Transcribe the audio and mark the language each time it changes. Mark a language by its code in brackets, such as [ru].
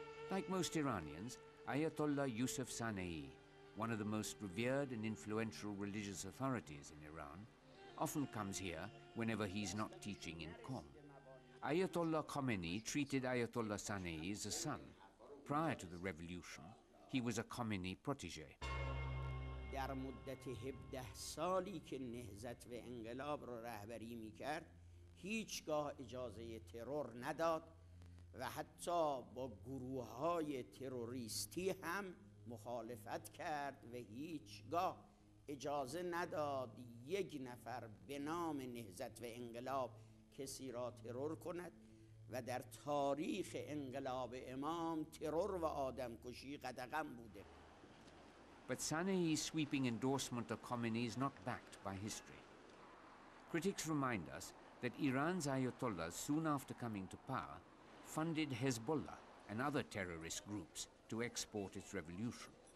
[en] Like most Iranians, Ayatollah Yusuf Sanei, one of the most revered and influential religious authorities in Iran, often comes here whenever he's not teaching in Qom. Ayatollah Khomeini treated Ayatollah Sanei as a son. Prior to the revolution, he was a Khomeini protege. [fa] در مدت 17 سالی که نهضت و انقلاب را رهبری می کرد هیچگاه اجازه ترور نداد و حتی با گروه های تروریستی هم مخالفت کرد و هیچگاه اجازه نداد یک نفر به نام نهضت و انقلاب کسی را ترور کند و در تاریخ انقلاب امام ترور و آدم کشی قدغن بوده. [en] But Sanei's sweeping endorsement of Khomeini is not backed by history. Critics remind us that Iran's Ayatollahs, soon after coming to power, funded Hezbollah and other terrorist groups to export its revolution.